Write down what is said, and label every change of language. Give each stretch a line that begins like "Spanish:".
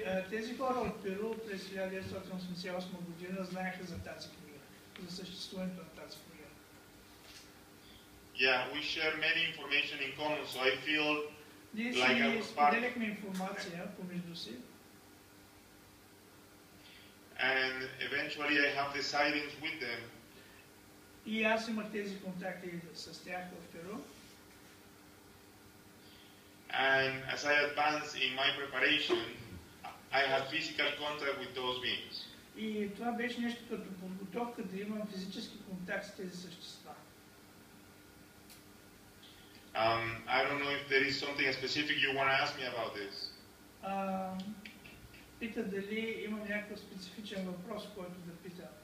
Bulgarian: Тези хора от Перу през 1988 година знаеха за тази книга, за съществуването на тази книга.
English: Yeah, we share many information in common, so I feel like I was part.
Bulgarian: Ние споделяхме информация помежду си.
English: And eventually I have the sightings with them.
Bulgarian: И аз имах тези контакти с тях в Перу.
English: And as I advanced in my preparation, I had physical contact with those beings.
Bulgarian: И това беше нещо като подготовка да имам физически контакт с тези същества.
English: I don't know if there is something specific you want to ask me about this.
Bulgarian: Пита дали има някакъв специфичен въпрос, който да пита.